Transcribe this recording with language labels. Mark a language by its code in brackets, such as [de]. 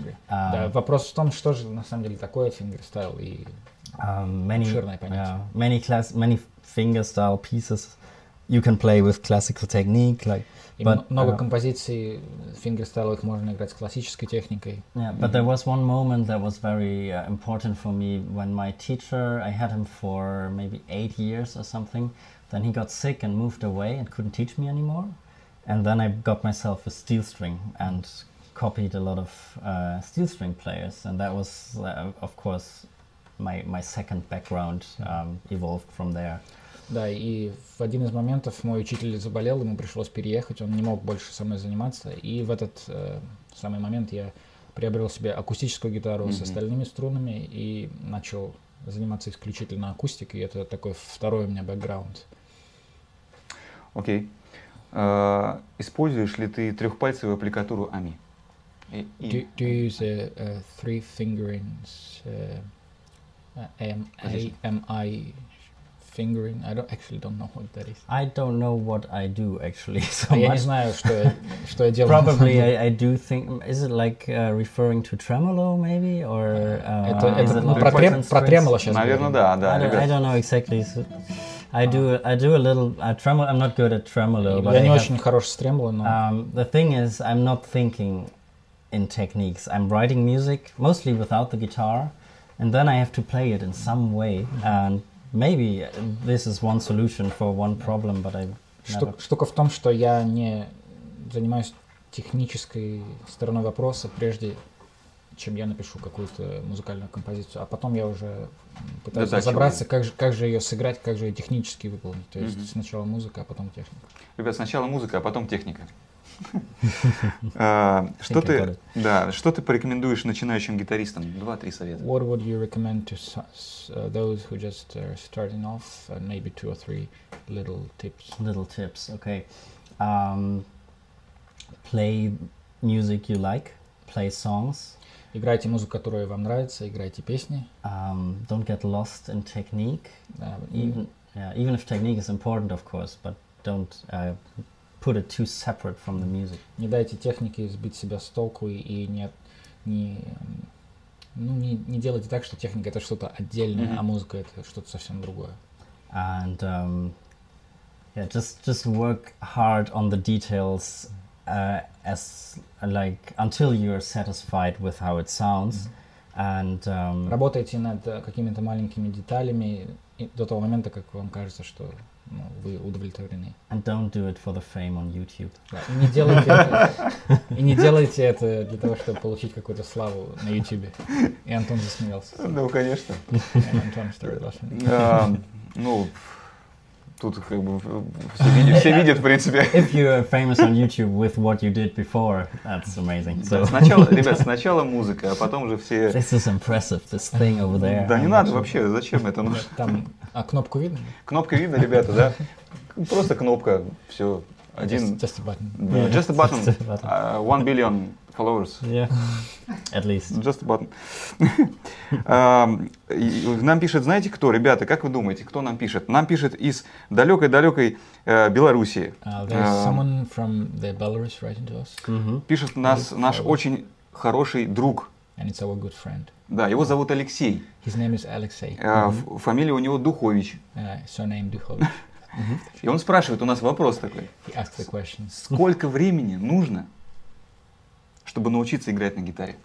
[ru] Да, вопрос в том, что же на самом деле такое фингерстайл и обширное понятие. [en] Many fingerstyle pieces you can play with classical technique, like. [ru] Много композиций фингерстайловых можно играть с классической техникой. [en] Yeah, but mm-hmm. there was one moment that was very important for me when my teacher, I had him for maybe 8 years or something. Then he got sick and moved away and couldn't teach me anymore. And then I got myself a steel string and copied a lot of steel string players. And that was, of course, my second background evolved from there. [ru] Да, и в один из моментов мой учитель заболел, ему пришлось переехать, он не мог больше со мной заниматься. И в этот самый момент я приобрел себе акустическую гитару mm-hmm. с остальными струнами и начал заниматься исключительно акустикой. И это такой второй у меня бэкграунд. Окей. Используешь ли ты трехпальцевую аппликатуру АМИ? [en] Do you use a three fingerings AMI fingering? I don't know what that is. I don't know what I do actually. So [ru] я не знаю, что я делаю. [en] Probably I do think. Is it like referring to tremolo maybe or? [ru] Про тремоло сейчас. Наверное, да, да. [en] I don't know exactly. I do a little tremolo. I'm not good at tremolo. [ru] Я не очень хорош с тремоло, но. [en] The thing is, I'm not thinking in techniques. I'm writing music mostly without the guitar, and then I have to play it in some way. And maybe this is one solution for one problem, but I. [ru] Штука в том, что я не занимаюсь технической стороной вопроса прежде, чем я напишу какую-то музыкальную композицию, а потом я уже пытаюсь разобраться, как же ее сыграть, как же ее технически выполнить. То есть mm-hmm. сначала музыка, а потом техника. Ребят, сначала музыка, а потом техника. Что ты порекомендуешь начинающим гитаристам? 2-3 совета. [en] What would you recommend to those who just are starting off? Maybe 2 or 3 little tips. Little tips, okay. Play music you like, play songs. [ru] Играйте музыку, которая вам нравится, играйте песни. [en] Don't get lost in technique. Even if technique is important, of course, but don't put it too separate from the music. [ru] Не дайте технике сбить себя с толку и не делайте так, что техника — это что-то отдельное, mm-hmm. а музыка — это что-то совсем другое. [en] and just work hard on the details as like until you're satisfied with how it sounds. Mm-hmm. And [ru] работайте над какими-то маленькими деталями до того момента, как вам кажется, что ну, вы удовлетворены. [en] And don't do it for the fame on YouTube. Yeah. [ru] И не делайте это для того, чтобы получить какую-то славу на YouTube. И Антон засмеялся. Ну, конечно. [en] Антон started laughing. [ru] Ну, тут как бы все видят, в принципе. [en] If you're famous on YouTube with what you did before, that's amazing. So. [ru] Сначала, ребят, сначала музыка, а потом уже все... [en] This is impressive, this thing over there. [ru] Да не надо вообще, зачем это нужно? Там, а кнопку видно? Кнопка видно, ребята, да? Просто кнопка, все. Один... [en] Just a button. Yeah. Just a button. Just a button. 1 billion followers. Yeah, at least. Just a button. [ru] нам пишет, знаете кто, ребята, как вы думаете, кто нам пишет? Нам пишет из далекой-далекой Белоруссии. [en] There's someone from the Belarus writing to us. Mm-hmm. [ru] Пишет нас наш очень хороший друг. [en] And it's our good friend. [ru] Да, его зовут Алексей. [en] His name is Alexei. [ru] Фамилия у него Духович. [en] Surname Духович. [ru] Mm-hmm. И он спрашивает, у нас вопрос такой. [en] He asked the question. [ru] Сколько времени нужно, чтобы научиться играть на гитаре?